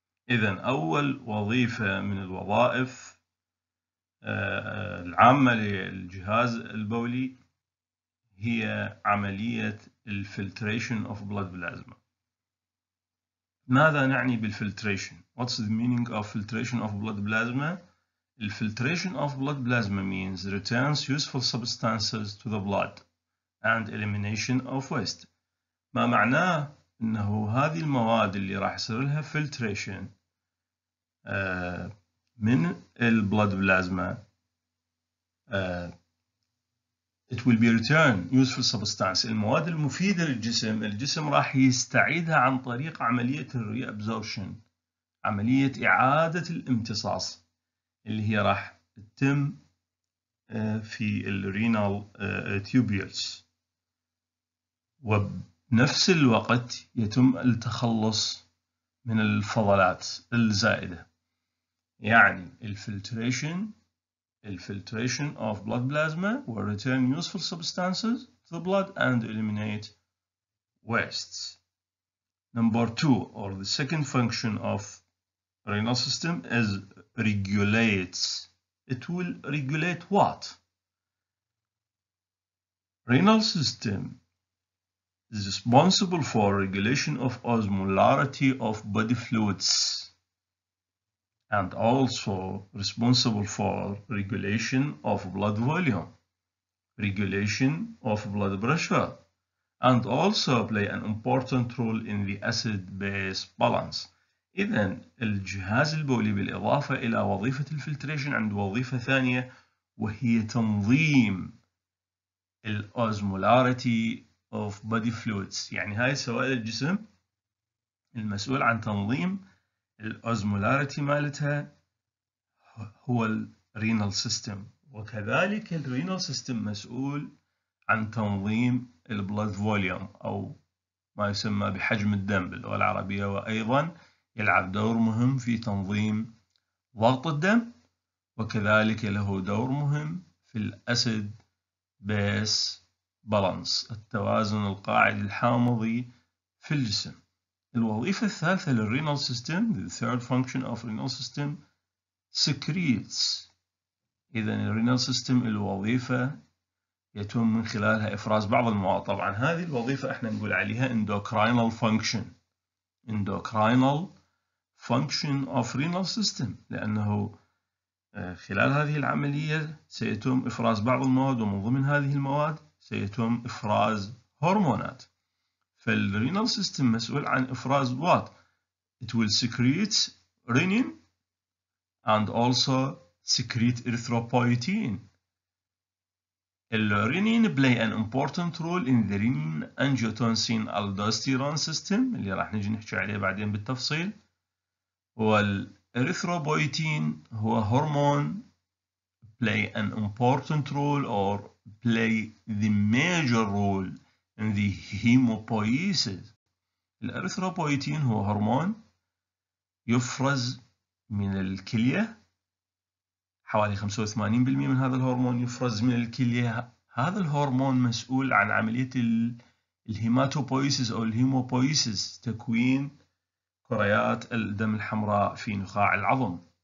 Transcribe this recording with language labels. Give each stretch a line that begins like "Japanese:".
Arabic: إذا أول وظيفة من الوظائف العامة للجهاز البولي هي عملية الفلتريشن
English: of blood plasma.
Arabic: ماذا نعني بالفلتريشن؟
English: What's the meaning of filtration of blood plasma? الفلتريشن of blood plasma means returns useful substances to the blood and elimination of waste.
Arabic: ما معناه انه هذه المواد اللي راح يصير لها filtration من ال
English: blood plasma it will be returned useful substance.
Arabic: المواد المفيدة للجسم الجسم راح يستعيدها عن طريق عملية reabsorption، عملية إعادة الامتصاص اللي هي راح تتم في ال renal tubules، وبنفس الوقت يتم التخلص من الفضلات الزائدة. يعني الفلتريشن
English: of blood plasma will return useful substances to the blood and eliminate wastes. Number two, or the second function of renal system is regulates. It will regulate what? Renal system is responsible for regulation of osmolarity of body fluids and also responsible for regulation of blood volume, regulation of blood pressure, and also play an important role in the acid-base balance.
Arabic: إذا الجهاز البولي بالإضافة إلى وظيفة الفلتريشن عند وظيفة ثانية وهي تنظيم الأوزمولاريتي
English: of body fluids،
Arabic: يعني هاي سوائل الجسم المسؤول عن تنظيم الأوزمولاريتي مالتها هو الرينال سيستم، وكذلك الرينال سيستم مسؤول عن تنظيم البلد فوليوم أو ما يسمى بحجم الدم باللغة العربية، وأيضا يلعب دور مهم في تنظيم ضغط الدم، وكذلك له دور مهم في الأسيد بيس بالانس، التوازن القاعدي الحامضي في الجسم. الوظيفة الثالثة للرينال سيستم،
English: the third function of renal system, secretes.
Arabic: إذا الرينال سيستم الوظيفة يتم من خلالها إفراز بعض المواد. طبعا هذه الوظيفة احنا نقول عليها
English: endocrinal function. endocrinal function of renal system،
Arabic: لأنه خلال هذه العملية سيتم إفراز بعض المواد، ومن ضمن هذه المواد سيتم إفراز هرمونات. فالرينال سيستم مسؤول عن إفراز what?
English: It will secrete renin and also secrete erythropoietin. الرينين play an important role in the renin angiotensin aldosterone system
Arabic: اللي راح نجي نحكي عليه بعدين بالتفصيل. والإريثروبويتين هو هرمون
English: play an important role or play the major role in the hemopoiesis.
Arabic: الأريثروبويتين هو هرمون يفرز من الكلية، حوالي 85% من هذا الهرمون يفرز من الكلية. هذا الهرمون مسؤول عن عملية الهيماتوبويسيس أو الهيموبويسيس، تكوين كريات الدم الحمراء في نخاع العظم.